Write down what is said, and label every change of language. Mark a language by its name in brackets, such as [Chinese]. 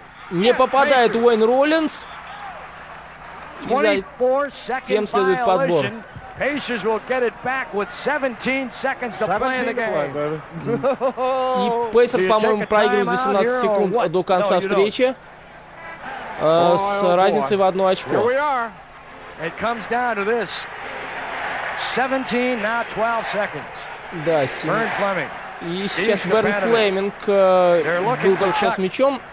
[Russian] Не попадает Уэйн Роллинс. И затем следует подбор. [English] Pacers will get it back with 17 seconds to play in the game. [Russian] И Pacers, по-моему, проигрывают за 17 секунд до конца встречи с разницей в одно очко. [English] It comes down to this. 17, now 12 seconds. [Russian] Да, Берн Флеминг. И сейчас Берн Флеминг был только сейчас мячом.